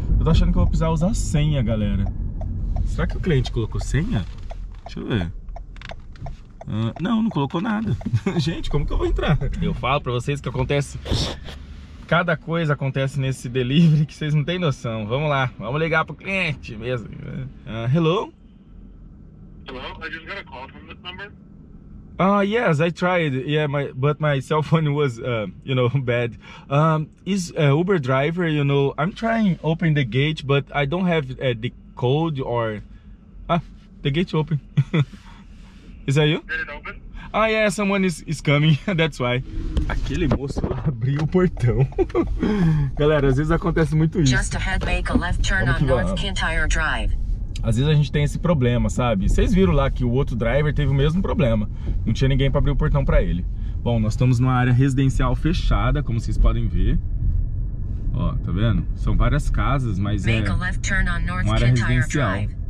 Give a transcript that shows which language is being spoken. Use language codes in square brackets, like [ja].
[pt] Eu tô achando que eu vou precisar usar senha, galera. Será que o cliente colocou senha? Deixa eu ver. Não colocou nada. Gente, como que eu vou entrar? Eu falo pra vocês que acontece... Cada coisa acontece nesse delivery que vocês não têm noção. Vamos lá. Vamos ligar pro cliente mesmo. [en] Hello? Hello, I just got a call from this number. Yes, I tried. Yeah, but my cell phone was, bad. Is Uber driver, you know, I'm trying open the gate, but I don't have the code or... the gate open. Is that you? Get it open? Yeah, someone is coming. That's why. [pt] Aquele moço lá abriu o portão. Galera, às vezes acontece muito isso. [en] Just ahead, make a left turn on North Kintyre Drive. [pt] Às vezes a gente tem esse problema, sabe? Vocês viram lá que o outro driver teve o mesmo problema. Não tinha ninguém para abrir o portão para ele. Bom, nós estamos numa área residencial fechada, como vocês podem ver. Ó, tá vendo? São várias casas, mas é uma área residencial.